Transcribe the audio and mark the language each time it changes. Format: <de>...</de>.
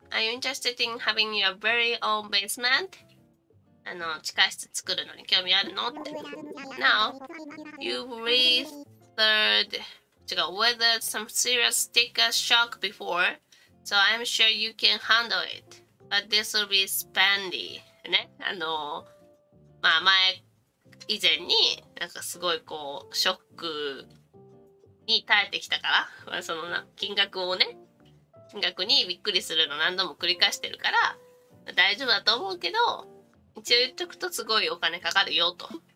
<en>Are you interested in having your very own basement?</en> <ja>地下室作るのに興味あるのって。</ja> <en>Now, you've weathered some serious sticker shock before, so I'm sure you can handle it. But this will be spendy. ね。</en> <ja>まあ前、以前に、なんかすごいこう、ショック、に耐えてきたから、まあ、その金額をね、金額にびっくりするの何度も繰り返してるから、まあ、大丈夫だと思うけど、一応言っとくとすごいお金かかるよと。</ja>